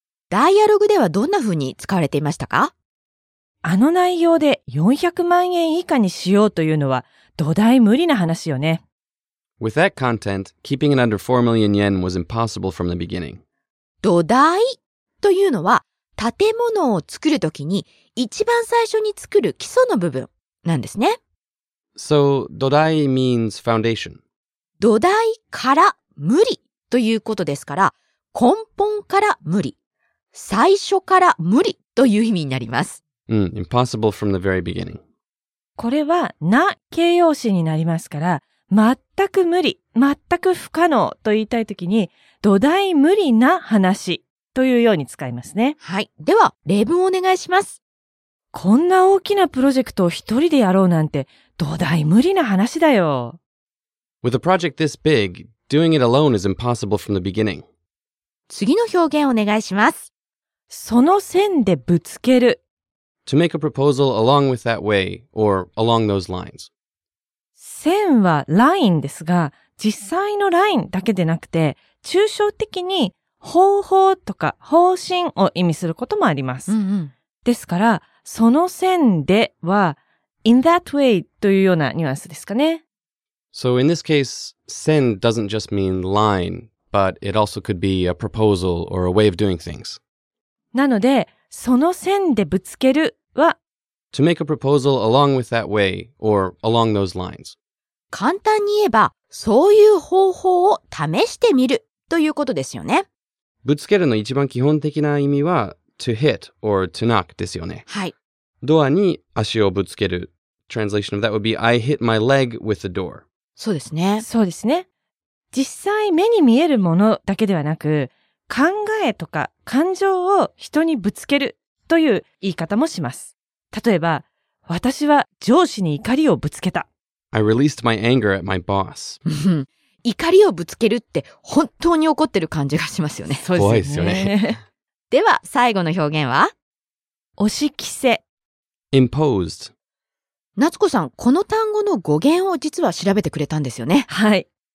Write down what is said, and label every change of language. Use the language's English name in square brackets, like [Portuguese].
[Japanese] ダイアログではどんな風に使われていましたか? あの内容で400万円以下にしようというのは土台無理な話よね。 [English] With that content, keeping it under 4 million yen was impossible from the beginning. [Japanese] 土台というのは建物を作るときに一番最初に作る基礎の部分なんですね。 [English] So, [Japanese] 土台 [English] means foundation. [Japanese] 土台から無理ということですから、根本から無理、最初から無理という意味になります。 [English] うん、impossible from the very beginning。 [Japanese] これはな形容詞になりますから、全く無理、全く不可能と言いたいときに、土台無理な話というように使いますね。はい、では例文をお願いします。こんな大きなプロジェクトを一人でやろうなんて、土台無理な話だよ。 [English] With a project this big, doing it alone is impossible from the beginning. [Japanese] 次の表現をお願いします。その線でぶつける。 [English] To to make a proposal along with that way or along those lines. [Japanese] 線はラインですが、実際のラインだけでなくて、抽象的に方法とか方針を意味することもあります。ですから、その線では、 [English] in that way [Japanese] というようなニュアンスですかね。 [English] So in this case, 線 doesn't just mean line, but it also could be a proposal or a way of doing things. [Japanese] なので、その線でぶつけるは、 [English] to make a proposal along with that way or along those lines. [Japanese] 簡単に言えば、そういう方法を試してみるということですよね。ぶつけるの一番基本的な意味は、 [English] to hit or to knock [Japanese] ですよね。はい。ドアに足をぶつける。 [English] Translation of that would be, I hit my leg with the door. [Japanese] そうですね。そうですね。実際目に見えるものだけではなく、考えとか感情を人にぶつけるという言い方もします。例えば、私は上司に怒りをぶつけた。 [English] I released my anger at my boss. [Japanese] 怒りをぶつけるって本当に怒ってる感じがしますよね。そうですね。怖いですよね。では、最後の表現は？押し着せ。 [English] Imposed. [Japanese] 夏子さん、この単語の語源を実は調べてくれたんですよね。はい。